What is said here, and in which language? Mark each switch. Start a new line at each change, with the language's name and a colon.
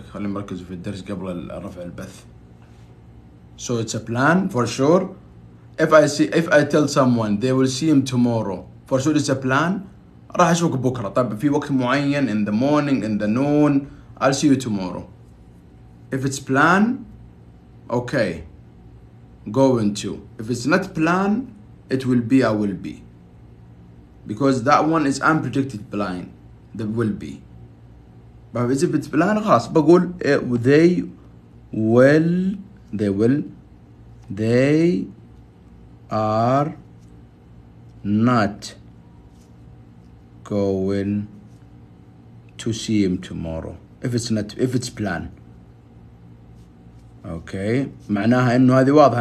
Arabic: خلينا نركز في الدرس قبل رفع البث.
English: So it's a plan for sure. If I tell someone they will see him tomorrow, for sure it's a plan.
Arabic: راح أشوفك بكرة. طب في وقت معين
English: in the morning, in the noon, I'll see you tomorrow. If it's plan, okay. Going to. If it's not plan, it will be, I will be. Because that one is unpredicted plan. That will be. But if it's plan,
Arabic: خلاص بقول
English: they are not going to see him tomorrow if it's plan.
Arabic: Okay, معناها إنه هذه واضحة.